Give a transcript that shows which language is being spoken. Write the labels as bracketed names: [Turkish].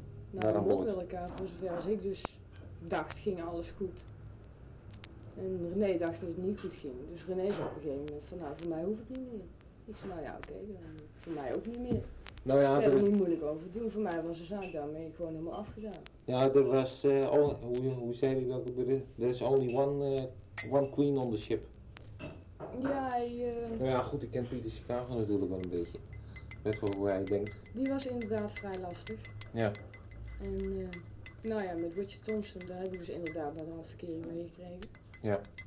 [Dutch] Nou, gemok met elkaar, voor zover als ik dus dacht, ging alles goed. En René dacht dat het niet goed ging. Dus René zei op een gegeven moment van nou, voor mij hoeft het niet meer. Ik zei nou ja, oké, dan voor mij ook niet meer. Nou ja, er was niet moeilijk over doen. Voor mij was de zaak daarmee gewoon helemaal afgedaan. Ja, er was, hoe zei hij dat? [English] There is only one queen on the ship. [Dutch] Ja, hij... Nou ja, goed, ik ken Pieter Chicago natuurlijk wel een beetje. Met voor hoe hij denkt. Die was inderdaad vrij lastig. Ja. En nou ja, met Richard Thompson, daar hebben we dus inderdaad naar de halfverkering mee gekregen. Ja.